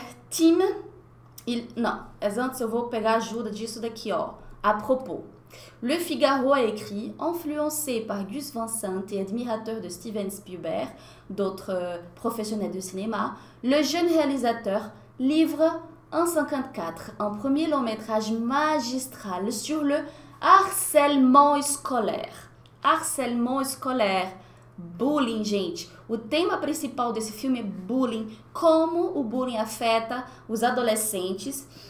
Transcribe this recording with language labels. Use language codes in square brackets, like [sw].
[pt] Tim, não, mas antes eu vou pegar ajuda disso daqui, ó. [fr] A propos. Le Figaro a écrit, influencé par Gus Van Sant et admirateur de Steven Spielberg, d'autres professionnels de cinéma, le jeune réalisateur livre en 54 un premier long métrage magistral sur le harcèlement scolaire. [pt] Harcèlement scolaire, bullying, gente. O tema principal desse filme é bullying. Como o bullying afeta os adolescentes?